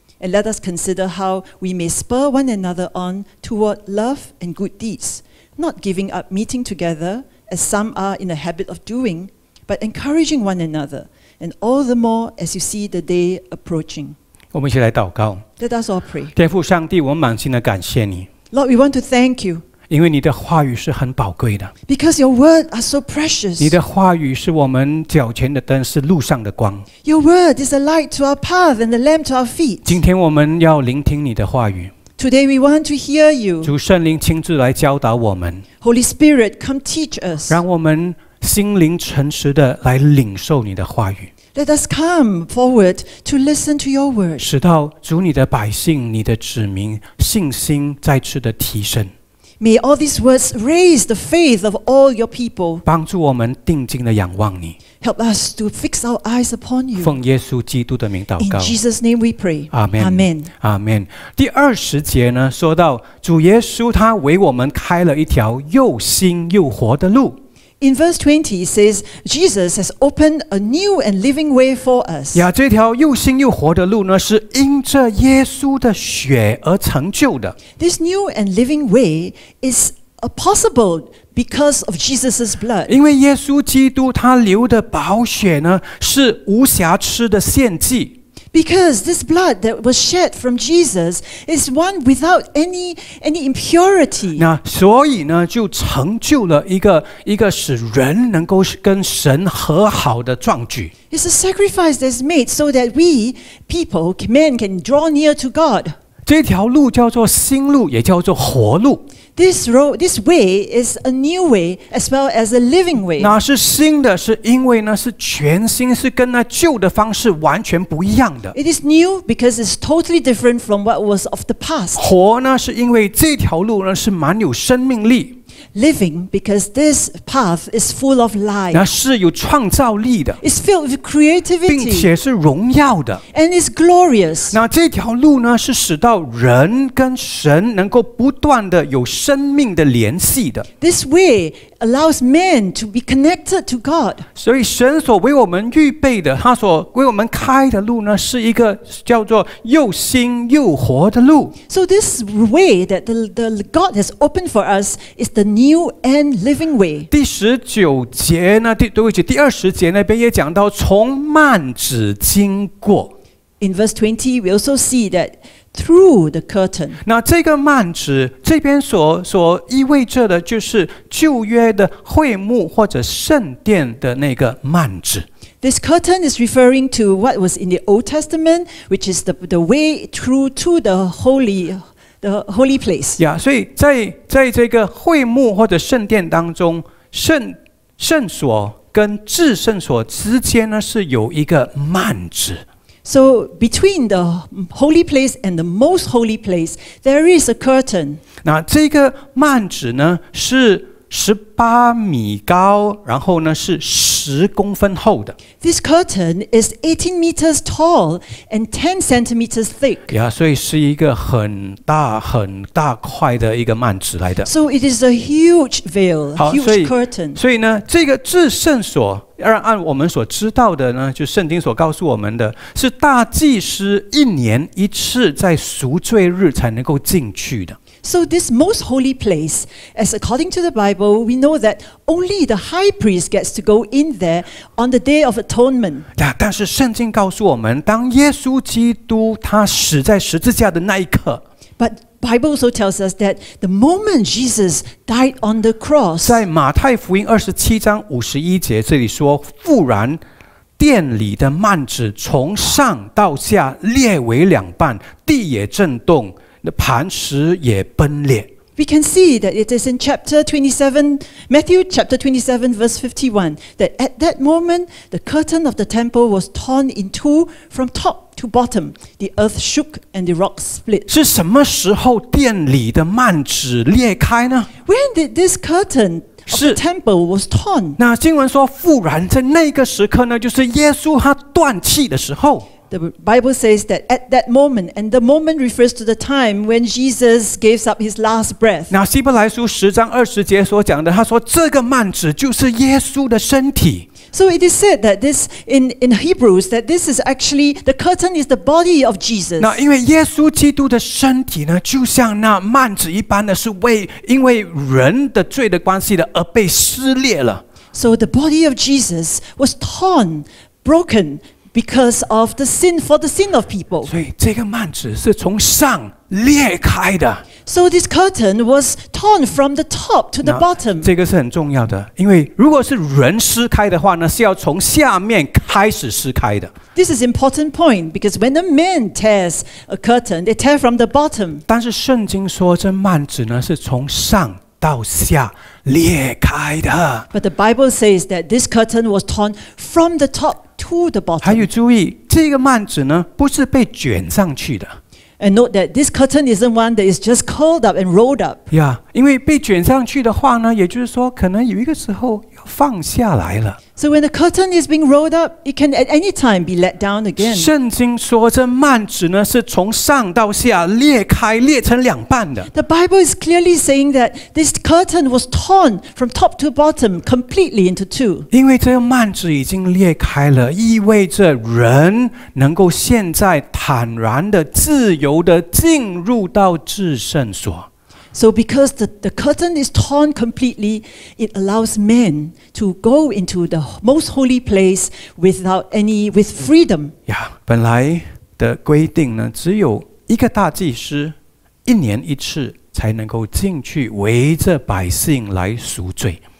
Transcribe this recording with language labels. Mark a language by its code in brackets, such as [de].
[en] And let us consider how we may spur one another on toward love and good deeds, not giving up meeting together, as some are in the habit of doing, but encouraging one another, and all the more as you see the day approaching. [zh] 我们一起来祷告。 [en] Let us all pray. [zh] 天父上帝，我满心的感谢你。 [en] Lord, we want to thank you. [zh] 因为你的话语是很宝贵的。 [en] Because your word are so precious. [zh] 你的话语是我们脚前的灯，是路上的光。 [en] Your word is a light to our path and a lamp to our feet. [zh] 今天我们要聆听你的话语。 [en] Today we want to hear you. [zh] 主圣灵亲自来教导我们。 [en] Holy Spirit, come teach us. [zh] 让我们心灵诚实的来领受你的话语。 [en] Let us come forward to listen to your word. [zh] 使到主你的百姓、你的子民信心再次的提升。 [en] May all these words raise the faith of all your people. [zh] 帮助我们定睛地仰望你。 [en] Help us to fix our eyes upon you. [zh] 奉耶稣基督的名祷告。 [en] In Jesus' name we pray. Amen. Amen. Amen. [zh] 第二十节呢，说到主耶稣他为我们开了一条又新又活的路。 [en] In verse 20, it says, Jesus has opened a new and living way for us. [zh] 呀，这条又新又活的路呢，是因着耶稣的血而成就的。 [en] This new and living way is possible because of Jesus' blood. [zh] 因为耶稣基督他流的宝血呢，是无瑕疵的献祭。 [en] Because this blood that was shed from Jesus is one without any impurity. [zh] 那所以呢，就成就了一个使人能够跟神和好的壮举。 [en] It's a sacrifice that's made so that we people, men, can draw near to God. [zh] 这条路叫做新路，也叫做活路。 [en] This way is a new way as well as a living way. [zh] 那是新的，是因为呢是全新，是跟那旧的方式完全不一样的。 [en] It is new because it's totally different from what was of the past. [zh] 活呢，是因为这条路呢是蛮有生命力。 [en] Living because this path is full of life. [zh] 那是有创造力的。 [en] It's filled with creativity. [zh] 并且是荣耀的。 [en] And it's glorious. [zh] 那这条路呢，是使到人跟神能够不断的有生命的联系的。 [en] This way allows men to be connected to God. [zh] 所以神所为我们预备的，他所为我们开的路呢，是一个叫做又新又活的路。 [en] So this way that the God has opened for us is the new and living way. [zh] 第十九节呢，第二十节那边也讲到从幔子经过。 [en] In verse 20, we also see that. Through the curtain. [zh] 那这个幔子这边所意味着的就是旧约的会幕或者圣殿的那个幔子。 [en] This curtain is referring to what was in the Old Testament, which is the way through to the holy place. [zh] Yeah, 所以在这个会幕或者圣殿当中，圣所跟至圣所之间呢是有一个幔子。 [en] So between the holy place and the most holy place, there is a curtain. [zh] 那这个幔子呢是18米高，然后呢是十公分厚的。 [en] This curtain is 18 meters tall and 10 centimeters thick. [zh] Yeah, 所以是一个很大很大块的一个幔子来的。 [en] So it is a huge veil, huge curtain. [zh] 所以呢，这个至圣所，按我们所知道的呢，就圣经所告诉我们的，是大祭司一年一次在赎罪日才能够进去的。 [en] So this most holy place, as according to the Bible, we know that only the high priest gets to go in there on the Day of Atonement. [zh] 但是圣经告诉我们，当耶稣基督他死在十字架的那一刻。 [en] But Bible also tells us that the moment Jesus died on the cross. [zh] 在马太福音二十七章五十一节这里说，复然殿里的幔子从上到下裂为两半，地也震动。磐石也崩裂。 [en] We can see that it is in chapter 27, Matthew chapter 27, verse 51, that at that moment the curtain of the temple was torn in two from top to bottom. The earth shook and the rocks split. [zh] 是什么时候殿里的幔子裂开呢？ [en] When did this curtain of the temple was torn? [zh] 那经文说，复然在那个时刻呢，就是耶稣他断气的时候。 [en] The Bible says that at that moment, and the moment refers to the time when Jesus gave up his last breath. [zh] 那希伯来书十章二十节所讲的，他说这个幔子就是耶稣的身体。 [en] So it is said that this in Hebrews that this is actually the curtain is the body of Jesus. [zh] 那因为耶稣基督的身体呢，就像那幔子一般的是为因为人的罪的关系的而被撕裂了。 [en] So the body of Jesus was torn, broken. Because of the sin, for the sin of people. [zh] 所以这个幔子是从上裂开的。 [en] So this curtain was torn from the top to the bottom. [zh] 这个是很重要的，因为如果是人撕开的话呢，是要从下面开始撕开的。 [en] This is important point because when a man tears a curtain, they tear from the bottom. [zh] 但是圣经说这幔子呢是从上到下裂开的。 [en] But the Bible says that this curtain was torn from the top. To the bottom. [zh] 还有注意，这个幔子呢，不是被卷上去的。 [en] And note that this curtain isn't one that is just curled up and rolled up. [zh] Yeah, 因为被卷上去的话呢，也就是说，可能有一个时候要放下来了。 [en] So when the curtain is being rolled up, it can at any time be let down again. [zh] 圣经说这幔子呢是从上到下裂开，裂成两半的。 [en] The Bible is clearly saying that this curtain was torn from top to bottom completely into two. [zh] 因为这个幔子已经裂开了，意味着人能够现在坦然的、自由的进入到至圣所。 [en] So because the curtain is torn completely, it allows men to go into the most holy place without any with freedom. [zh] Yeah, 本来的规定呢，只有一个大祭司一年一次才能够进去围着百姓来赎罪。